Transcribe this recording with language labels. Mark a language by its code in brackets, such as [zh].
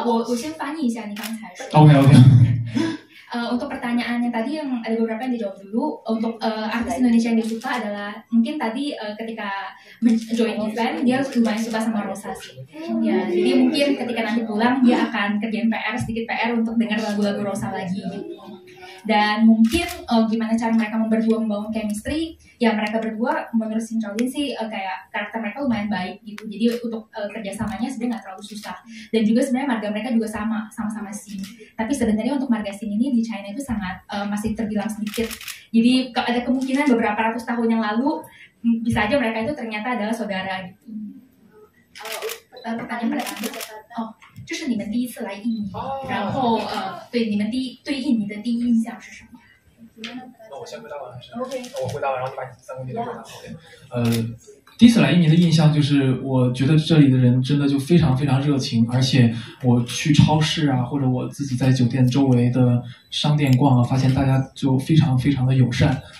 [zh] 我先翻译一下你刚才说的。 OK。 [id] Untuk pertanyaannya tadi yang ada beberapa yang dijawab dulu, untuk artis Indonesia yang disuka adalah mungkin tadi ketika join event dia lumayan suka sama Rosa sih. Ya, jadi mungkin ketika nanti pulang dia akan kerjain PR sedikit PR untuk dengar lagu-lagu Rosa lagi. Dan mungkin gimana cara mereka berdua membangun chemistry, ya mereka berdua menurut Sinchalin sih kayak karakter mereka lumayan baik gitu. Jadi untuk kerjasamanya sebenarnya gak terlalu susah. Dan juga sebenarnya marga mereka juga sama-sama Sin. Tapi sebenarnya untuk marga Sin ini di China itu sangat masih terbilang sedikit. Jadi ada kemungkinan beberapa ratus tahun yang lalu bisa aja mereka itu ternyata adalah saudara gitu. Pertanyaan mereka itu [zh] 就是你们第一次来印尼，然后对你们对印尼的第一印象是什么？那我先回答完还是？ OK。那我回答完，然后你把你三个问题都回答。 OK。第一次来印尼的印象就是，我觉得这里的人真的就非常非常热情，而且我去超市啊，或者我自己在酒店周围的商店逛啊，发现大家就非常非常的友善。